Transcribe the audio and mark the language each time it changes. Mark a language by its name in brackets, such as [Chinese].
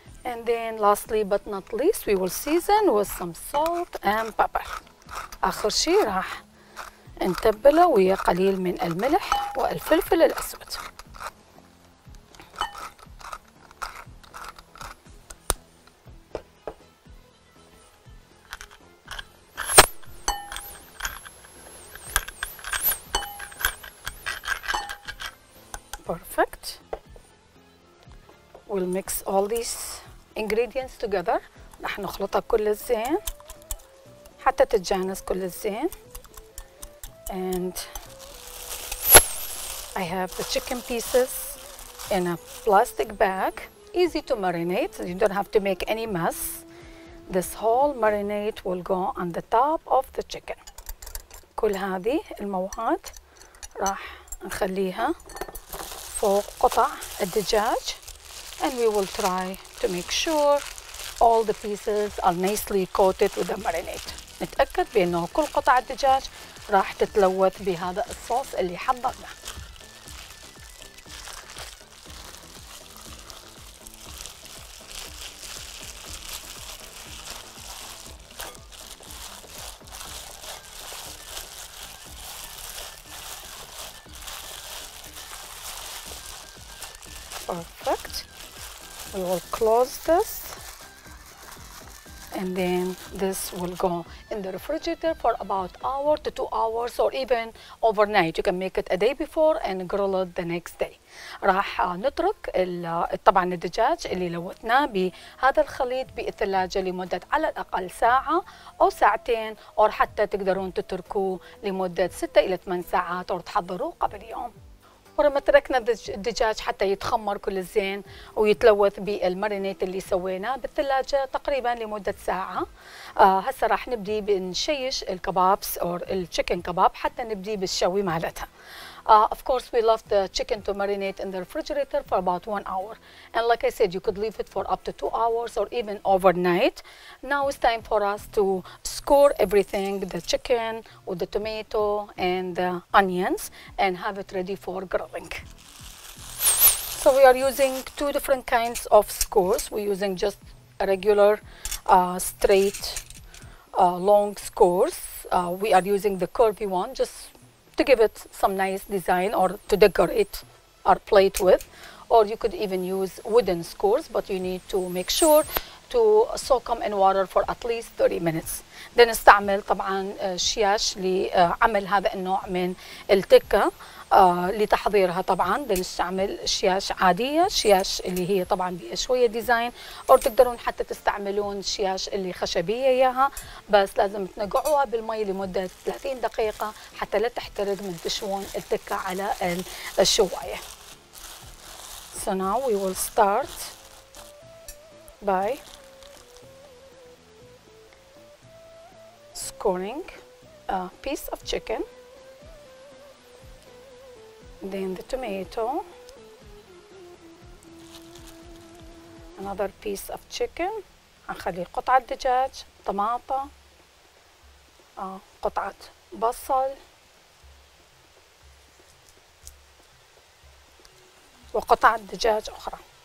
[English] And then lastly but not least, we will season with some salt and pepper. [Arabic] اخر شيء راح نتبله ويا قليل من الملح والفلفل الاسود. [English] Perfect. We'll mix all these ingredients together. [Arabic] راح نخلطها كل الزين حتى تتجانس كل الزين. [English] And I have the chicken pieces in a plastic bag. Easy to marinate. You don't have to make any mess. This whole marinade will go on the top of the chicken. [Arabic] كل هذه المواد راح نخليها فوق قطع الدجاج. [English] And we will try to make sure all the pieces are nicely coated with the marinade. [Arabic] نتأكد بأنه كل قطع الدجاج راح تتلوث بهذا الصوص اللي حضرناه. [English] Perfect. We will close this and then this will go in the refrigerator for about 1 to 2 hours or even overnight. You can make it a day before and grill it the next day. [Arabic] راح نترك طبعا الدجاج اللي لوثناه بهذا الخليط بالثلاجة لمدة على الأقل ساعة أو ساعتين أو حتى تقدرون تتركوه لمدة 6 إلى 8 ساعات أو تحضروه قبل يوم. ورما تركنا الدجاج حتى يتخمر كل الزين ويتلوث بالمارينيت اللي سويناه بالثلاجة تقريبا لمدة ساعة. هسه راح نبدي بنشيش الكبابس او التشيكن كباب حتى نبدي بالشوي مالتها. [English] Of course we left the chicken to marinate in the refrigerator for about 1 hour. And like I said, you could leave it for up to 2 hours or even overnight. Now it's time for us to score everything, the chicken with the tomato and the onions, and have it ready for grilling. So we are using two different kinds of scores. We're using just a regular straight long scores. We are using the curvy one just to give it some nice design or to decorate our plate with. Or you could even use wooden scores, but you need to make sure to soak them in water for at least 30 minutes. [Arabic] Then استعمل طبعا شياش لعمل هذا النوع من التكة لتحضيرها طبعا. Then استعمل شياش عادية, شياش اللي هي طبعا بها شوية ديزاين, أو تقدرون حتى تستعملون شياش اللي خشبية إياها, بس لازم تنقعوها بالماء لمدة 30 دقيقة حتى لا تحترق من تشوون التكة على الشواية. [English] So now we will start by scoring a piece of chicken, then the tomato, another piece of chicken, [Arabic] هنخلي قطعة دجاج, طماطم, قطعة بصل وقطعة دجاج أخرى.